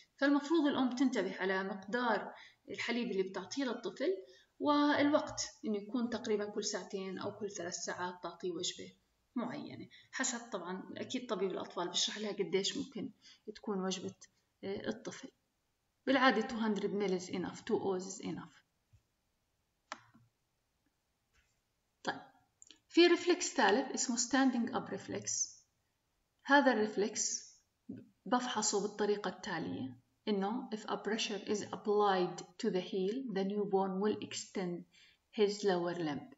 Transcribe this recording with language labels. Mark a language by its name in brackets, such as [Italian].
[Arabic] فالمفروض الأم تنتبه على مقدار الحليب اللي بتعطيه للطفل، والوقت إنه يكون تقريبا كل ساعتين أو كل 3 ساعات تعطيه وجبة معينة، حسب طبعا أكيد طبيب الأطفال بشرح لها قديش ممكن تكون وجبة الطفل. بالعادة 200 ميل [English] is enough، [Arabic] 2 أوز is enough. في رفلكس ثالث اسمه standing up reflex. هذا الرفلكس بفحصه بالطريقة التالية، إنه [English] if a pressure is applied to the heel the newborn will extend his lower limb.